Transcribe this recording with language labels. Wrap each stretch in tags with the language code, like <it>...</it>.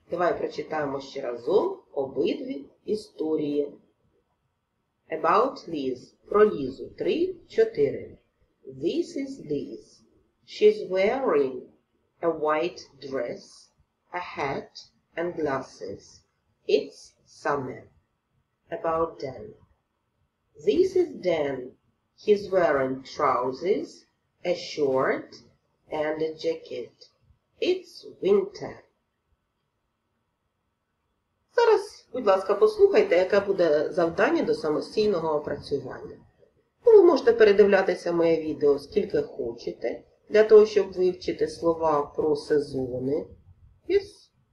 <uk>Давай прочитаємо ще разом обидві історії.</uk> <en>About Liz.</en> <uk>Про Лізу.</uk> <en>3-4. This is Liz. She's wearing a white dress, a hat and glasses. It's summer. About Dan. This is Dan. He's wearing trousers, a short, and a jacket. It's winter.</en> <uk>Зараз, будь ласка, послухайте, яке буде завдання до самостійного опрацювання. Ви можете передивлятися моє відео скільки хочете, для того, щоб вивчити слова про сезони.</uk> <en>Yes.</en>